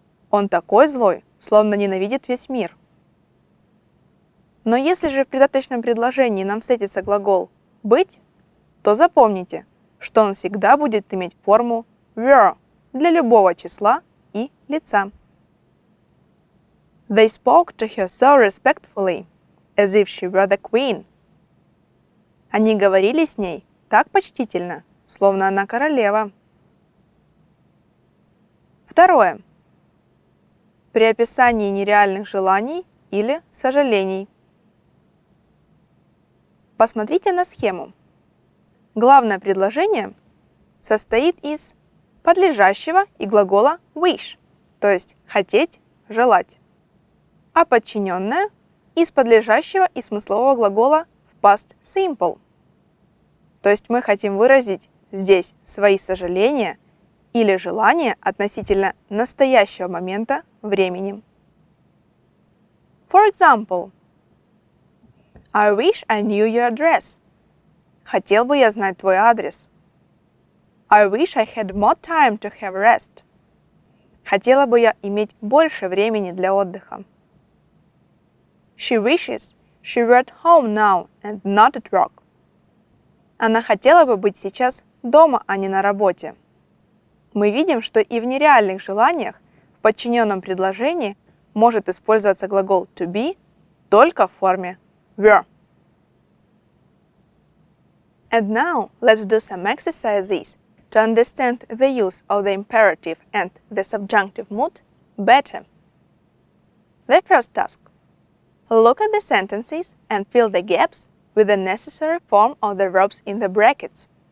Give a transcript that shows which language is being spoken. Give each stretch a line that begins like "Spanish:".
Russian: Он такой злой, словно ненавидит весь мир. Но если же в придаточном предложении нам встретится глагол «быть», то запомните, что он всегда будет иметь форму «were» для любого числа и лица.
English: They spoke to her so respectfully, as if she were the queen.
Russian: Они говорили с ней так почтительно, словно она королева. Второе. При описании нереальных желаний или сожалений. Посмотрите на схему. Главное предложение состоит из подлежащего и глагола wish, то есть хотеть, желать, а подчиненное из подлежащего и смыслового глагола в past simple. То есть мы хотим выразить здесь свои сожаления или желания относительно настоящего момента времени.
English: For example, I wish I knew your address.
Russian: Хотел бы я знать твой адрес.
English: I wish I had more time to have rest.
Russian: Хотела бы я иметь больше времени для отдыха.
English: She wishes she were at home now and not at work.
Russian: Она хотела бы быть сейчас дома, а не на работе. Мы видим, что и в нереальных желаниях в подчиненном предложении может использоваться глагол to be только в форме were.
English: And now let's do some exercises to understand the use of the imperative and the subjunctive mood better. The first task. Look at the sentences and fill the gaps with the necessary form of the verbs in the brackets.